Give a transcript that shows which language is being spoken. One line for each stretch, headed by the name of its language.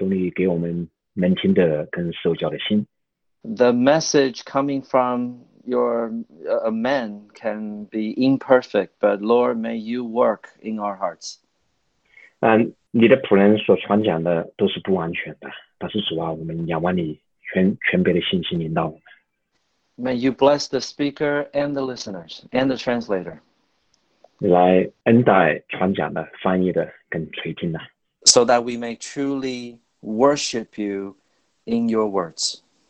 Chinese: 主啊,我们是你的儿女,我们今天来到你的面前,我们求你给我们能听的跟受教的心。
English: The message coming from your men can be imperfect, but Lord, may you work in our hearts.
Chinese: 你的仆人所传讲的都是不完全的,但是主啊,我们仰望你,全备的信心引导我们。
English: May you bless the speaker and the listeners and the translator.
Chinese: 你来恩待传讲的,翻译的,跟垂听的。
English: So that we may truly worship you in your words.